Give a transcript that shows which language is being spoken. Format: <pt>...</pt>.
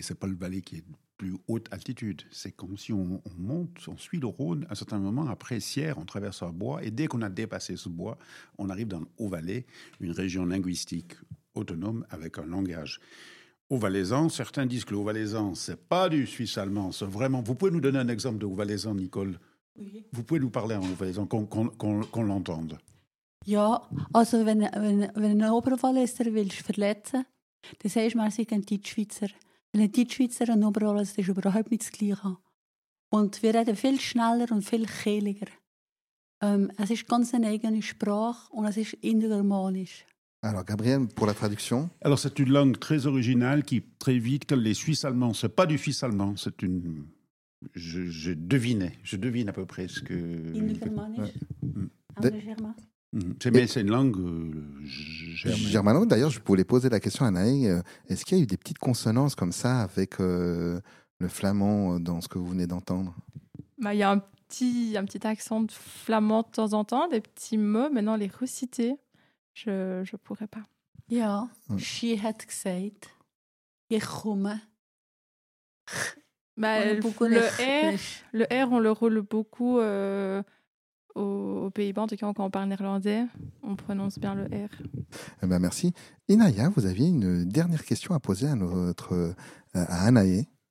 <fr>C'est pas le Valais qui est plus haute altitude. C'est comme si on monte, on suit le Rhône à un certain moment, après Sierre, on traverse un bois, et dès qu'on a dépassé ce bois, on arrive dans le haut Valais, une région linguistique autonome avec un langage. Haut Valaisan, certains disent que le Haut Valaisan, ce n'est pas du suisse allemand, c'est vraiment. Vous pouvez nous donner un exemple de Haut Valaisan, Nicole? Oui. Vous pouvez nous parler en Haut Valaisan, qu'on l'entende.</fr> <de>Ja, also wenn ein Oberwalliser will verletzen, dann sage ich mal, ich bin ein Deutschschweizer. Wenn ein Deutschschweizer und Oberwalliser ist überhaupt nicht das Gleiche. Und wir reden viel schneller und viel kehliger. Es ist ganz eine eigene Sprache und es ist indogermanisch.</de> <fr>Alors, Gabriel, pour la traduction. Alors, c'est une langue très originale qui, très vite, quand les Suisses allemands, c'est pas du suisse allemand, c'est une. Je devine à peu près ce que. Indo-germanique. C'est une langue germanique. D'ailleurs, je voulais poser la question à Naïg. Est-ce qu'il y a eu des petites consonances comme ça avec le flamand dans ce que vous venez d'entendre? Il y a un petit accent de flamand de temps en temps, des petits mots, maintenant les recités. Je pourrais pas.</fr> <de>Ja, sie hat gesagt, ich komme.</de> <fr>Le R, on le roule beaucoup aux Pays-Bas, en tout cas quand on parle néerlandais, on prononce bien le R. Merci. Inaya, vous aviez une dernière question à poser à Anaïe.</fr>